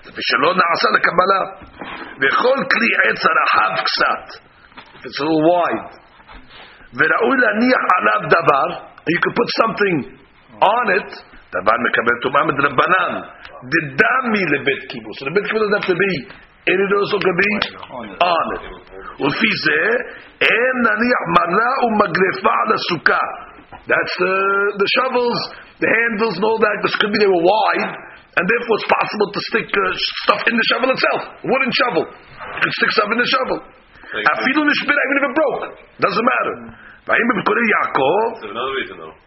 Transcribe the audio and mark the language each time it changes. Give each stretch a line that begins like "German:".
Hebrew: ושלא נעשה לקבלה וכל כלי עץ הרחב קצת,
English: it's a little wide,
Hebrew: וראוי להניח עליו דבר,
English: you could put something on it,
Hebrew: דבר מקבל תומה מדרבנן, דדמי לבית קיבול.
English: So the bit קיבול doesn't have to be, and it also could be on it.
Hebrew: ולפי זה אין להניח מלה ומגרפה על הסוכה.
English: That's the shovels, the handles and all that, this could be they were wide, and therefore it's possible to stick stuff in the shovel itself. Wooden shovel. You can stick stuff in the shovel.
Hebrew: Afilu nishbir,
English: even if it broke. Doesn't matter. That's another reason though.